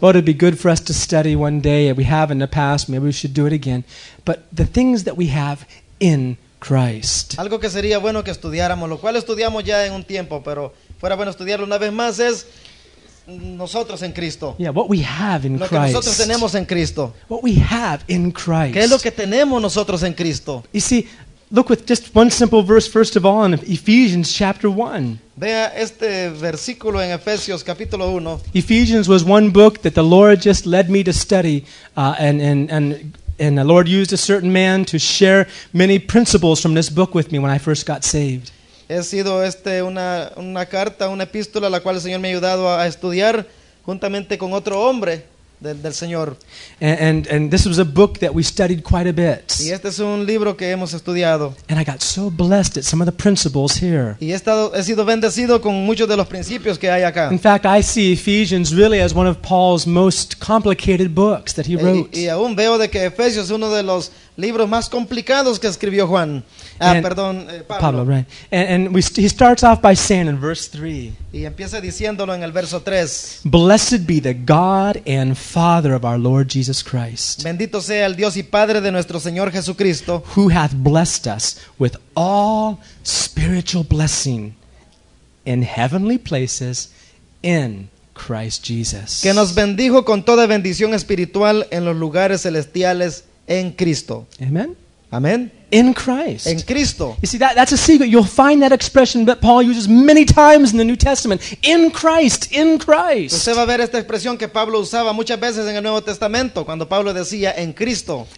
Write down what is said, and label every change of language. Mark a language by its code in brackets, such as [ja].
[en] But it'd be good for us to study one day. We have in the past. Maybe we should do it again. But the things that we have in Christ. [es] Algo que sería bueno que estudiáramos, lo cual estudiamos ya en un tiempo, pero fuera bueno estudiarlo una vez más es nosotros en Cristo. [en] Yeah, what we have in [es] lo [en] Christ. [es] Que nosotros tenemos en Cristo. [en] What we have in Christ. [es] ¿Qué es lo que tenemos nosotros en Cristo? [en] You see, look with just one simple verse first of all in Ephesians chapter 1. [es] Vea este versículo en Efesios capítulo 1. [en] Ephesians was one book that the Lord just led me to study and the Lord used a certain man to share many principles from this book with me when I first got saved. [es] He sido este una carta, una epístola la cual el Señor me ha ayudado a estudiar juntamente con otro hombre del Señor. [en] And this was a book that we studied quite a bit. [es] Y este es un libro que hemos estudiado. [en] And I got so blessed at some of the principles here. [es] Y he sido bendecido con muchos de los principios que hay acá. [en] In fact, I see Ephesians really as one of Paul's most complicated books that he wrote. [es] Y aún veo de que Efesios es uno de los libros más complicados que escribió Juan. Pablo. [en] Pablo, right. And he starts off by saying in verse 3. [es] Y empieza diciéndolo en el verso 3. [en] Blessed be the God and Father of our Lord Jesus Christ. [es] Bendito sea el Dios y Padre de nuestro Señor Jesucristo. [en] Who hath blessed us with all spiritual blessing in heavenly places in Christ Jesus. [es] Que nos bendijo con toda bendición espiritual en los lugares celestiales en Cristo. [en] Amen. [es] Amen. [en] In Christ. [es] En Cristo. [en] You see, that's a secret. You'll find that expression that Paul uses many times in the New Testament. In Christ. In Christ. [es] Usted va a ver esta expresión que Pablo usaba muchas veces en el Nuevo Testamento cuando Pablo decía en Cristo.